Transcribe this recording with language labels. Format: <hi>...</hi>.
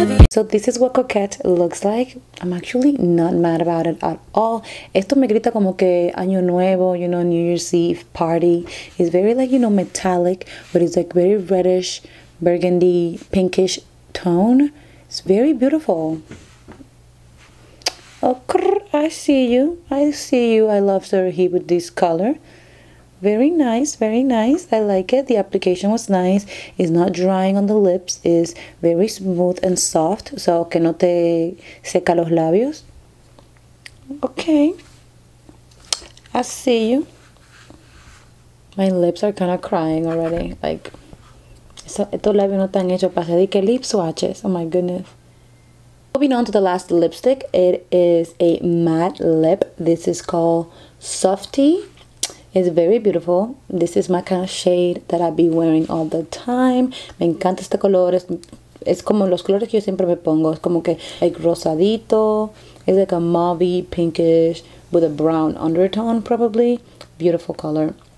<en>So this is what Coquette looks like. I'm actually not mad about it at all.</en> <es>Esto me grita como que año nuevo,</es> <en>you know, New Year's Eve party. It's very like, you know, metallic, but it's like very reddish, burgundy, pinkish tone. It's very beautiful. Oh, crrr, I see you. I love Sir He with this color. Very nice, very nice. I like it. The application was nice. It's not drying on the lips. It's very smooth and soft.</en> <es>So, que no te seca los labios.</es> <en>Okay. I see you. My lips are kind of crying already.</en> <es>Like, estos labios no están hechos para hacer lip swatches.</es> <en>Oh, my goodness. Moving on to the last lipstick. It is a matte lip. This is called Softy. It's very beautiful. This is my kind of shade that I be wearing all the time.</en> <es>Me encanta este color. Es como los colores que yo siempre me pongo. Es como que like rosadito.</es> <en>It's like a mauve-y pinkish with a brown undertone probably. Beautiful color.</en>